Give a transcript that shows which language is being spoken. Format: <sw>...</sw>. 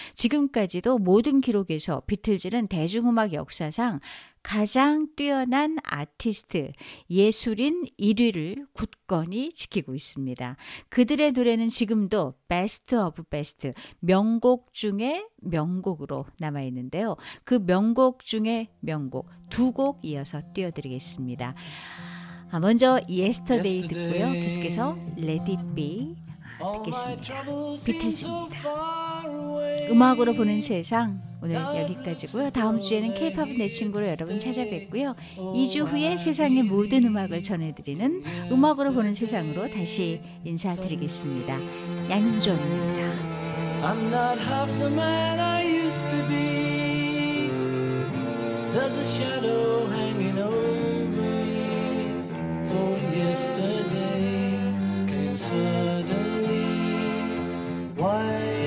<ko>지금까지 모든 기록에서 비틀즈는 대중음악 역사상 가장 뛰어난 아티스트, 예술인 1위를 굳건히 지키고 있습니다. 그들의 노래는 지금도 베스트 오브 베스트, 명곡 중에 명곡으로 남아있는데요. 그 명곡 중에 명곡, 두 곡 이어서 띄워드리겠습니다. 먼저 Yesterday 듣고요. 계속해서 Let It Be 듣겠습니다. 비틀즈입니다. 음악으로 보는 세상 오늘 여기까지고요. 다음 주에는 K-POP 내 친구로 여러분 찾아뵙고요. 2주 후에 세상의 모든 음악을 전해드리는 음악으로 보는 세상으로 다시 인사드리겠습니다. 양윤정입니다.</ko> <en>I'm not half the man I used to be. There's a shadow hanging over me. Oh, yesterday came suddenly. Why?</en>